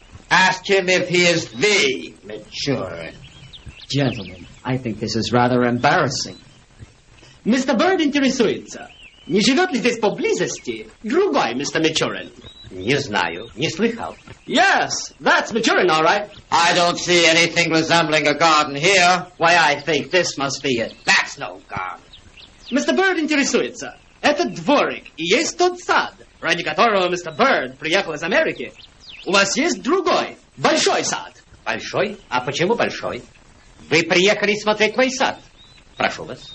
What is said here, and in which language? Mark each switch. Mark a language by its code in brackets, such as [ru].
[en] Ask him if he is the Мичурин. Gentlemen, I think this is rather embarrassing. Mr. [ru] Bird интересуется, не живет ли здесь поблизости другой Mr. Мичурин? Не знаю, не слыхал. [en] Yes, that's Мичурин, all right. I don't see anything resembling a garden here. Why, I think this must be it. That's no garden. Mr. [ru] Bird интересуется, это дворик, и есть тот сад, ради которого Mr. Bird приехал из Америки. У вас есть другой, большой сад. Большой? А почему большой? Вы приехали смотреть мой сад. Прошу вас.